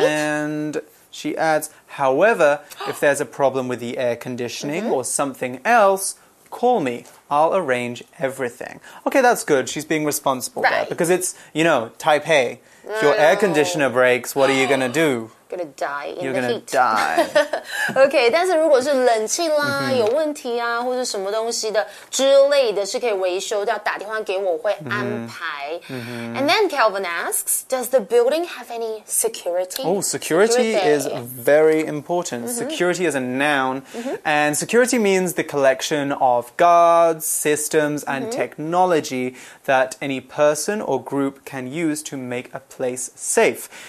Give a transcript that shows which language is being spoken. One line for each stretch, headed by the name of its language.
English: And she adds However, if there's a problem with the air conditioning or something else Call me, I'll arrange everything Okay, that's good, she's being responsible Right. there Because it's, you know, Taipei If your air conditioner breaks, what are you going to do? Gonna die in You're the heat. You're gonna die.
Chinese: okay, 但是如果是冷气啦、mm-hmm. 有问题啊或是什么东西的之类的是可以维修的打电话给我会安排。
English: Mm-hmm. Mm-hmm. And then Calvin asks, does the building have any security? Oh, security is very important. Mm-hmm. Security is a noun. Mm-hmm. And security means the collection of guards, systems, and mm-hmm. technology that any person or group can use to make a place safe.